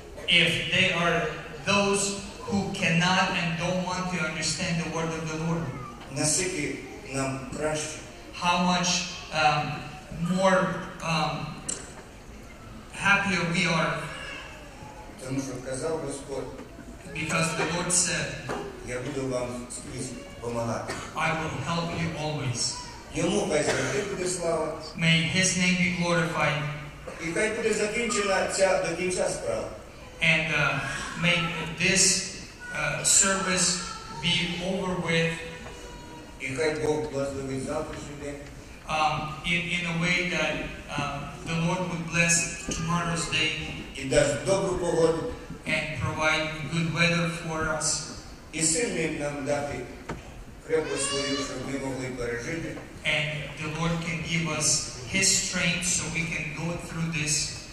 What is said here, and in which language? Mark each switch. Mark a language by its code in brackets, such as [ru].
[en] If they are those who cannot and don't want to understand the word of the Lord. [uk] Наскільки нам краще? [en] How much more happier we are. [uk] Тому що казав Господь. [en] Because the Lord said, [uk] я буду вам скрізь допомагати. [en] I will help you always. [uk] Йому хай буде слава. [en] May his name be glorified. [uk] І хай буде закінчена ця до кінця справа. [en] And may this service be over with. [uk] І хай Бог благословить завтрашній день. [en] In a way that the Lord would bless tomorrow's day. [uk] І дасть добру погоду. [en] And provide good weather for us. [uk] І сильним нам дати крепость свою, щоб ми могли пережити. [en] And the Lord can give us his strength so we can go through this.